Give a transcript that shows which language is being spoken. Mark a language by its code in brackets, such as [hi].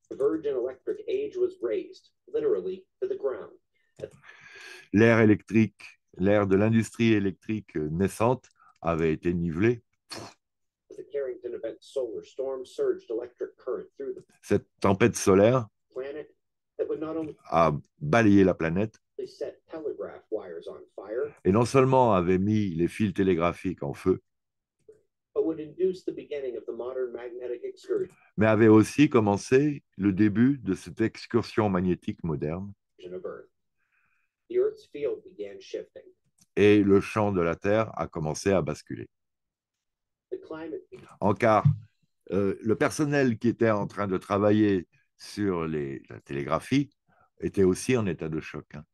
[en] the virgin electric age was raised, literally, to the ground. [fr] L'ère électrique, l'ère de l'industrie électrique naissante avait été nivelée. [en] The Carrington event, solar storm surged electric current through the... [fr] Cette tempête solaire [en] planet that would not only... [fr] a balayé la planète. [en] They set telegraph wires on fire, [fr] et non seulement avait mis les fils télégraphiques en feu, [en] but would induce the beginning of the modern magnetic excursion. [fr] Mais avait aussi commencé le début de cette excursion magnétique moderne. [en] The Earth's field began shifting. [fr] Et le champ de la Terre a commencé à basculer. En car le personnel qui était en train de travailler sur la télégraphie était aussi en état de choc. Hein.